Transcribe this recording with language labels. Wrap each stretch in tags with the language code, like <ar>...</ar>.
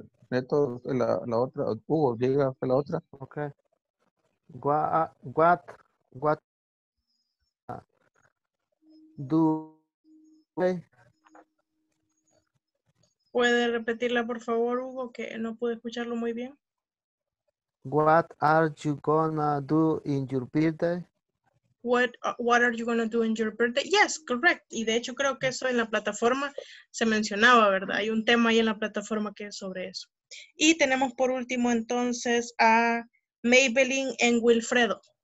<es>Neto, la otra. Hugo, llega la otra.</es> <en>Okay. What? Do play?</en> <es>¿Puede repetirla, por favor, Hugo, que no pude escucharlo muy bien?</es> <en>What are you gonna do in your birthday? What are you gonna do in your birthday? Yes, correct.</en> <es>Y de hecho creo que eso en la plataforma se mencionaba, ¿verdad? Hay un tema ahí en la plataforma que es sobre eso. Y tenemos por último entonces a Maybelline en Wilfredo.</es>